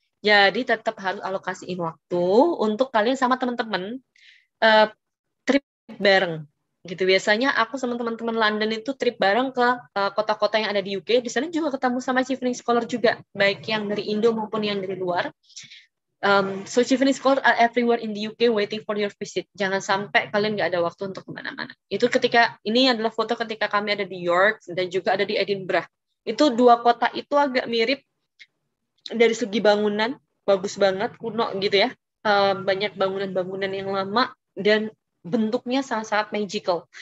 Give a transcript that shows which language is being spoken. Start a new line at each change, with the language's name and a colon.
Indonesian: Jadi, tetap harus alokasiin waktu untuk kalian sama teman-teman trip bareng. Gitu, biasanya aku sama teman-teman London itu trip bareng ke kota-kota yang ada di UK. Di sana juga ketemu sama Chevening Scholar juga, baik yang dari Indo maupun yang dari luar.
English: So Chevening Scholar are everywhere in the UK waiting for your visit.
Indonesian: Jangan sampai kalian nggak ada waktu untuk kemana-mana. Itu ketika, ini adalah foto ketika kami ada di York dan juga ada di Edinburgh. Itu dua kota itu agak mirip dari segi bangunan, bagus banget, kuno gitu ya. Banyak bangunan-bangunan yang lama dan bentuknya sangat-sangat magical.